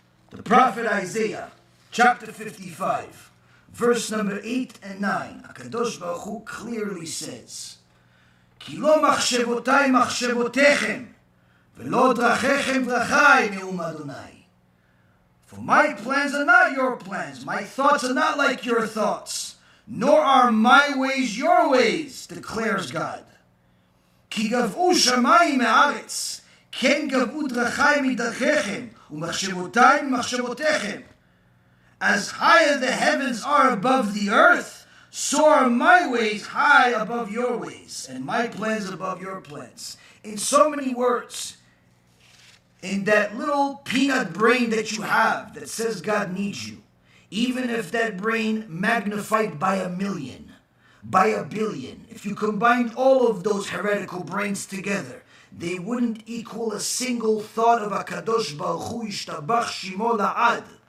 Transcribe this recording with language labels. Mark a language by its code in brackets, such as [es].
[en] The prophet Isaiah, chapter 55, verse number 8 and 9, HaKadosh Baruch Hu clearly says, [he] Ki lo machshevotai machshevotechem, ולא דרכיכם דרכי, נאום אדוני. [en] For my plans are not your plans. My thoughts are not like your thoughts. Nor are my ways your ways, declares God. [he] כי גבעו שמיים מארץ, כן גבעו דרכי מדרכיכם, ומחשבותי ממחשבותיכם. [en] As high as the heavens are above the earth, so are my ways high above your ways, and my plans above your plans. In so many words, in that little peanut brain that you have that says God needs you, even if that brain magnified by a million, by a billion, if you combined all of those heretical brains together, they wouldn't equal a single thought of HaKadosh Baruch Hu Yishtabach Shimo La'ad.